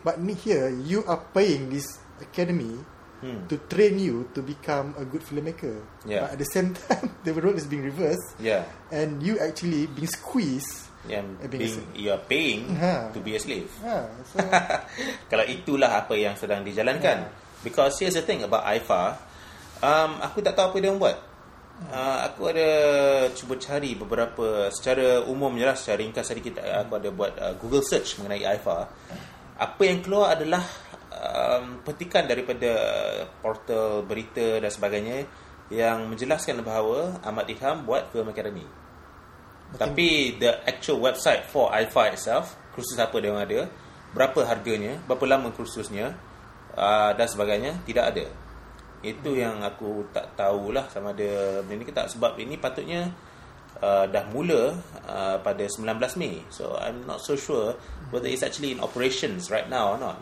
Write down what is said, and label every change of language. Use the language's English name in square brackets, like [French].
[English] But me here, you are paying this academy to train you to become a good filmmaker. Yeah. But at the same time, the role is being reversed. Yeah. And you actually being squeezed. Yeah, you are paying to be a slave. Yeah. [Malay] So, kalau itulah apa yang sedang dijalankan. Yeah. [English] Because here's the thing about AIFA. [Malay] Aku tak tahu apa dia buat. Aku ada cuba cari beberapa secara umum je lah, secara ringkas tadi kita aku ada buat Google search mengenai AIFA. Apa yang keluar adalah petikan daripada portal berita dan sebagainya yang menjelaskan bahawa Ahmad Idham buat film academy. Tapi [English] the actual website for AIFA itself, [Malay] khusus apa dia orang ada, berapa harganya, berapa lama kursusnya dan sebagainya, tidak ada. Itu yang aku tak tahulah sama ada benda ni ke tak, sebab ini patutnya dah mula pada 19 Mei. [English] So I'm not so sure whether it's actually in operations right now or not.